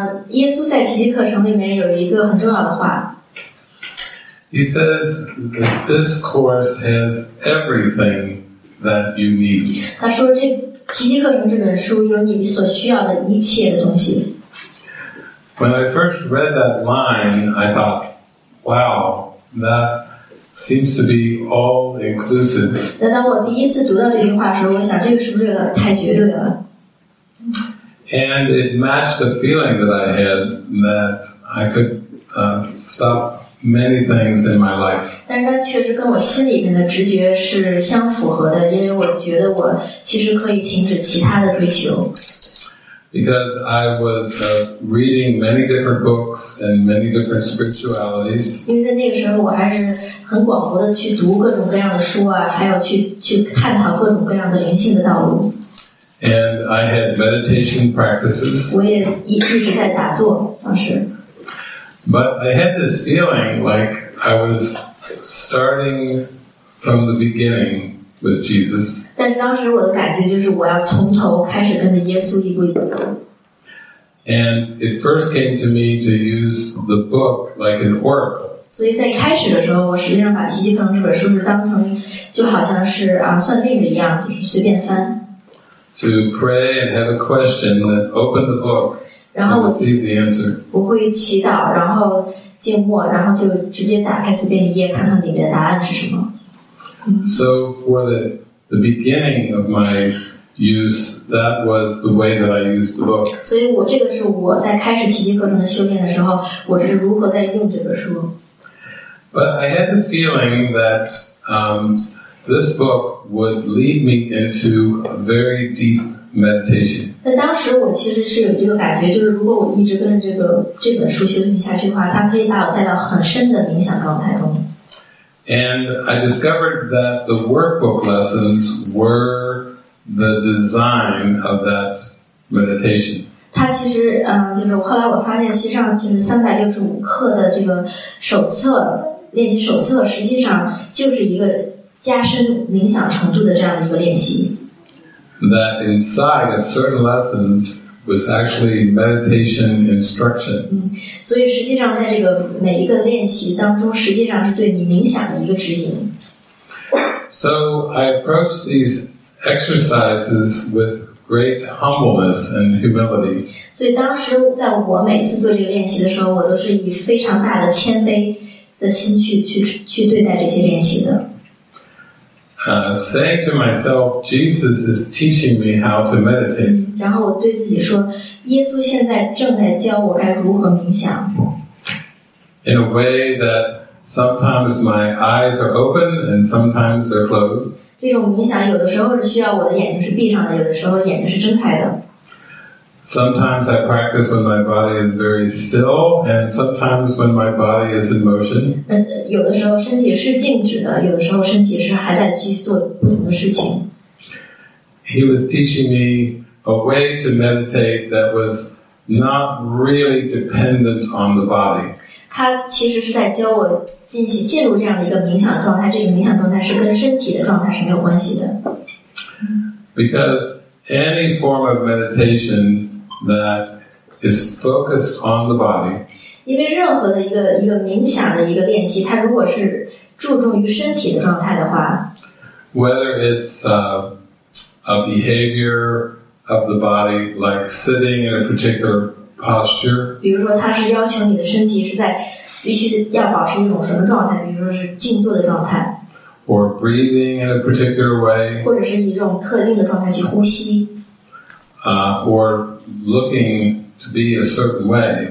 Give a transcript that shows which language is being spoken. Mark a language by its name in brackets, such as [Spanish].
[Chinese] 耶稣在奇迹课程里面有一个很重要的话。 [English] He says that this course has everything that you need. [Chinese] 他说这奇迹课程这本书有你所需要的一切的东西。 [English] When I first read that line, I thought, wow, that seems to be all inclusive. [Chinese] 但当我第一次读到这句话的时候，我想这个是不是有点太绝对了？ [English] And it matched the feeling that I had that I could stop many things in my life. [Chinese] 但是它确实跟我心里面的直觉是相符合的，因为我觉得我其实可以停止其他的追求。 [English] Because I was reading many different books and many different spiritualities. [Chinese] 因为在那个时候，我还是很广博的去读各种各样的书啊，还有去探讨各种各样的灵性的道路。 [English] And I had meditation practices. [Chinese] 我也一直在打坐，当时。 [English] But I had this feeling like I was starting from the beginning with Jesus. [Chinese] 但是当时我的感觉就是我要从头开始跟着耶稣一步一步走。 [English] And it first came to me to use the book like an oracle. [Chinese] 所以在开始的时候，我实际上把奇迹课程这本书是当成就好像是算命的一样，就是随便翻。 [English] To pray and have a question, then open the book. [Chinese] 然后我自己不会祈祷，然后静默，然后就直接打开随便一页，看看里面的答案是什么。 [English] So for the beginning of my use, that was the way that I used the book. [Chinese] 所以我这个是我在开始奇迹课程的修炼的时候，我是如何在用这个书。 [English] But I had the feeling that this book would lead me into a very deep. Meditation. [Chinese] 但当时我其实是有这个感觉，就是如果我一直跟着这本书修行下去的话，它可以把我带到很深的冥想状态中。 [English] And I discovered that the workbook lessons were the design of that meditation. [Chinese] 它其实就是后来我发现，实际上就是365课的这个手册练习手册，实际上就是一个加深冥想程度的这样的一个练习。 [English] That inside of certain lessons was actually meditation instruction. [Chinese] 所以实际上在这个每一个练习当中，实际上是对你冥想的一个指引。 [English] So I approached these exercises with great humbleness and humility. [Chinese] 所以当时在我每次做这个练习的时候，我都是以非常大的谦卑的心去对待这些练习的。 [English] saying to myself, Jesus is teaching me how to meditate. [Chinese] 然后我对自己说，耶稣现在正在教我该如何冥想。 [English] In a way that sometimes my eyes are open and sometimes they're closed. [Chinese] 这种冥想有的时候是需要我的眼睛是闭上的，有的时候眼睛是睁开的。 [English] Sometimes I practice when my body is very still, and sometimes when my body is in motion. [Chinese] 有的时候身体是静止的，有的时候身体是还在继续做不同的事情。 [English] He was teaching me a way to meditate that was not really dependent on the body. [Chinese] 他其实是在教我进入这样的一个冥想状态，这个冥想状态是跟身体的状态是没有关系的。 [English] Because any form of meditation that is focused on the body. [Chinese] 因为任何的一个冥想的一个练习，它如果是注重于身体的状态的话， [English] whether it's a behavior of the body, like sitting in a particular posture. [Chinese] 比如说，它是要求你的身体是在必须要保持一种什么状态，比如说是静坐的状态。 [English] Or breathing in a particular way. [Chinese] 或者是以这种特定的状态去呼吸。 [English] Or looking to be a certain way.